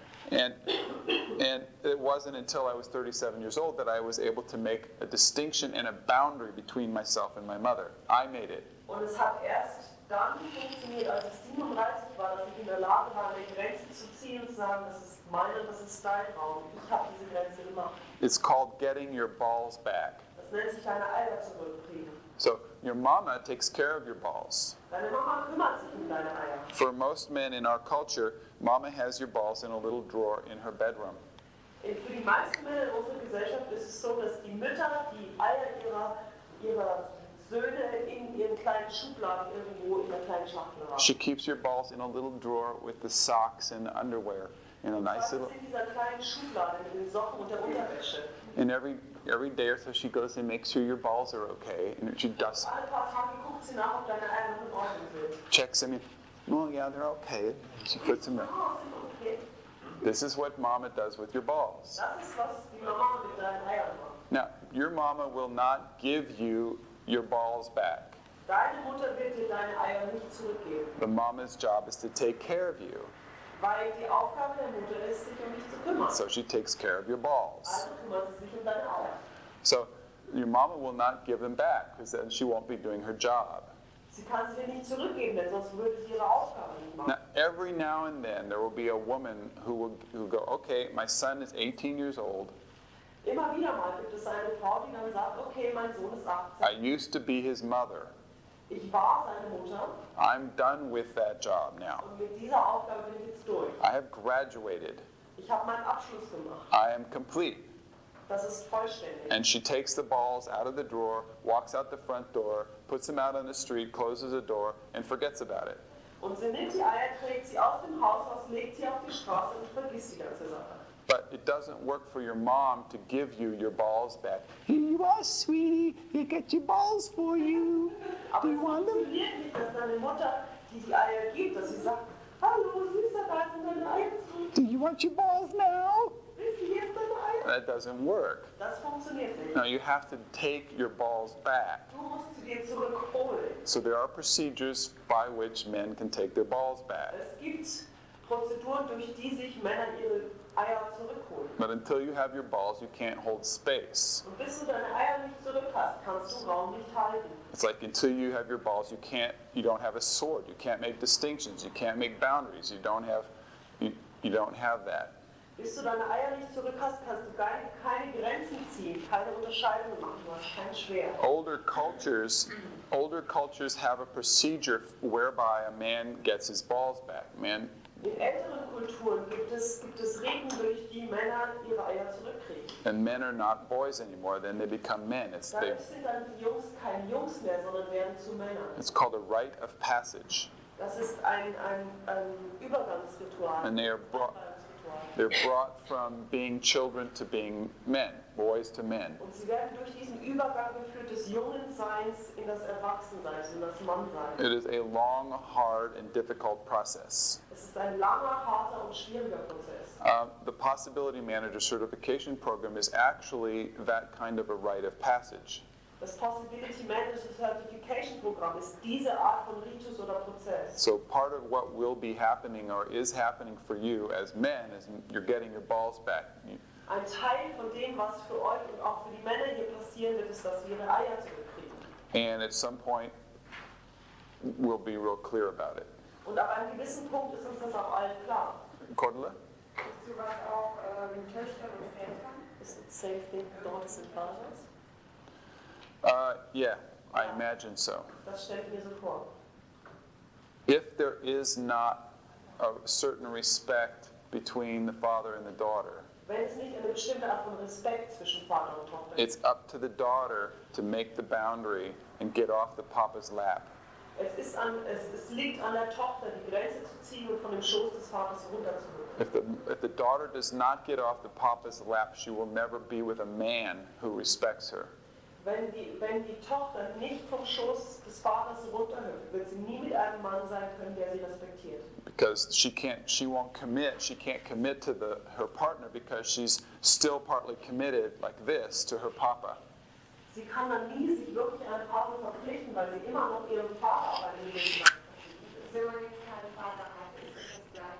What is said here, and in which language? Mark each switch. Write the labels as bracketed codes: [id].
[en] And it wasn't until I was 37 years old that I was able to make a distinction and a boundary between myself and my mother. I made it. [de] Und es hat erst dann funktioniert, als ich 37 war, dass ich in der Lage war, eine Grenze zu ziehen und zu sagen, das ist meine, das ist dein Raum. Ich habe diese Grenze gemacht. [en] It's called getting your balls back. [de] Das nennt sich eine Eier zurückkriegen. [en] So your mama takes care of your balls. [de] Deine Mama kümmert sich um deine Eier. [en] For most men in our culture, mama has your balls in a little drawer in her bedroom. [de] Und für die meisten Männer in unserer Gesellschaft ist es so, dass die Mütter die Eier ihrer Söhne in ihren kleinen Schubladen irgendwo in der kleinen Schachtel haben. [en] She keeps your balls in a little drawer with the socks and the underwear in a nice little. [de] In dieser kleinen Schublade mit den Socken und der Unterwäsche. [en] And every day or so, she goes and makes sure your balls are okay, and she dusts. [de] Alle paar Tage guckt sie nach, ob deine Eier noch in Ordnung sind. [en] Checks them in. Well, yeah, they're okay. She puts them in. Okay. This is what mama does with your balls. [de] Das ist, was die Mama mit deinen Eiern macht. [en] Now, your mama will not give you your balls back. [de] Deine Mutter wird dir deine Eier nicht zurückgeben. [en] The mama's job is to take care of you. [de] Weil die Aufgabe der Mutter ist, sich um dich zu kümmern. [en] So she takes care of your balls. [de] Also kümmert sie sich um deine Eier. [en] So your mama will not give them back, because then she won't be doing her job. [de] Sie kann sie nicht zurückgeben, denn sonst würde sie ihre Aufgabe nicht machen. [en] Now, every now and then there will be a woman who will go, okay, my son is 18 years old. [de] Immer wieder mal gibt es eine Frau, die dann sagt, okay, mein Sohn ist 18. [en] I used to be his mother. [de] Ich war seine Mutter. [en] I'm done with that job now. [de] Und mit dieser Aufgabe bin ich jetzt durch. [en] I have graduated. [de] Ich habe meinen Abschluss gemacht. [en] I am complete. [de] Das ist vollständig. [en] And she takes the balls out of the drawer, walks out the front door, puts them out on the street, closes the door, and forgets about it. [de] Und sie nimmt die Eier, trägt sie aus dem Haus aus, legt sie auf die Straße und vergisst die ganze Sache. [en] But it doesn't work for your mom to give you your balls back. Here you are, sweetie. You get your balls for you. Do you want them? [de] Aber es funktioniert nicht, dass deine Mutter, die die Eier gibt, dass sie sagt, hallo, süßer, da sind deine Eier zurück. [en] Do you want your balls now? [de] Willst du jetzt deine Eier? [en] That doesn't work. [de] Das funktioniert nicht. [en] No, you have to take your balls back. [de] Du musst sie dir zurückholen. [en] So there are procedures by which men can take their balls back. [de] Es gibt Prozeduren, durch die sich Männer ihre [en] But until you have your balls, you can't hold space. [de] Und bis du deine Eier nicht zurück hast, kannst du Raum nicht halten. [en] It's like until you have your balls, you can't, you don't have a sword. You can't make distinctions. You can't make boundaries. You don't have that. [de] Bis du deine Eier nicht zurück hast, kannst du keine Grenzen ziehen, keine Unterscheidungen machen. Das ist ganz schwer. [en] Older cultures have a procedure whereby a man gets his balls back. Man. [de] In älteren Kulturen gibt es Regeln, durch die Männer ihre Eier zurückkriegen. [en] And men are not boys anymore, then they become men. [de] Dann sind dann die Jungs keine Jungs mehr, sondern werden zu Männern. [en] It's called a rite of passage. [de] Das ist ein Übergangsritual. [en] And they're brought from being children to being men, boys to men. [de] Und sie werden durch diesen Übergang geführt des Jungenseins in das Erwachsensein, in das Mannsein. [en] It is a long, hard, and difficult process. [de] Es ist ein langer, harter und schwieriger Prozess. [en] The Possibility Manager Certification Program is actually that kind of a rite of passage. [de] Das Possibility Manager Certification Program ist diese Art von Ritus oder Prozess. [en] So part of what will be happening or is happening for you as men is you're getting your balls back. [de] Ein Teil von dem, was für euch und auch für die Männer hier passieren wird, ist, dass sie ihre Eier zurückkriegen. [en] And at some point we'll be real clear about it. [de] Und ab einem gewissen Punkt ist uns das auch allen klar. Cordula? Ist sowas auch mit Töchtern und Vätern? [en] Is it safe thing for daughters and fathers? Yeah, I imagine so. [de] Das stellt mir so vor. [en] If there is not a certain respect between the father and the daughter, [de] wenn es nicht eine bestimmte Art von Respekt zwischen Vater und Tochter gibt. [en] It's up to the daughter to make the boundary and get off the papa's lap. [de] Es liegt an der Tochter, die Grenze zu ziehen und von dem Schoß des Vaters runterzurücken. [en] If the daughter does not get off the papa's lap, she will never be with a man who respects her. [de] Wenn die Tochter nicht vom Schoß des Vaters runterhüpft, wird sie nie mit einem Mann sein können, der sie respektiert. [en] Because she can't commit to her partner, because she's still partly committed like this to her papa. [de] Sie kann dann nie sich wirklich einem Partner verpflichten, weil sie immer noch ihrem Vater bei dem Leben verpflichtet ist. Wenn man jetzt keinen Vater hat, ist das gleich.